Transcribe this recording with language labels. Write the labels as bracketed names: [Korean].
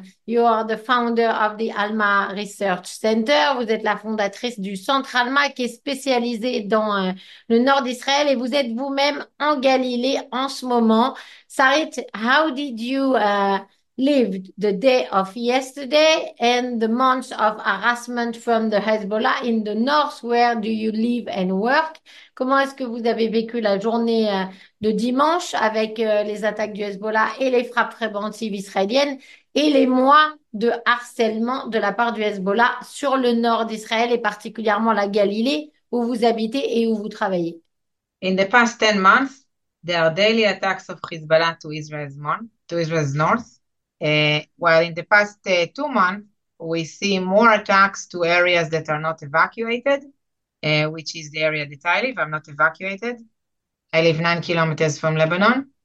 [English] You are the founder of the Alma Research Center. [French] Vous êtes la fondatrice du Centre Alma qui est spécialisé dans le nord d'Israël et vous êtes vous-même en Galilée en ce moment. [English] Sarit, how did you live the day of yesterday and the months of harassment from the Hezbollah in the north? Where do you live and work? [French] Comment est-ce que vous avez vécu la journée de dimanche avec les attaques du Hezbollah et les frappes préventives israéliennes et les mois de harcèlement de la part du Hezbollah sur le nord d'Israël et particulièrement la Galilée où vous habitez et où vous travaillez? [English] In the past 10 months, there are daily attacks of Hezbollah to Israel's north. While in the past 2 months, we see more attacks to areas that are not evacuated. Which is the area that I live. I'm not evacuated. I live 9 kilometers from Lebanon.